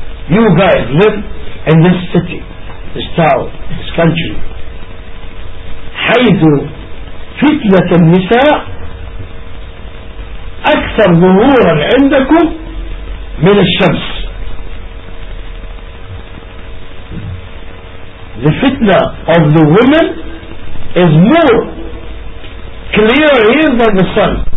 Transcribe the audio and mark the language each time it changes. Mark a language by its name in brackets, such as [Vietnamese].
[English] You guys live in this city, this town, this country. [Arabic] حيث فتنة النساء أكثر ظهورا عندكم من الشمس. [English] The fitna of the women is more clear here than the sun.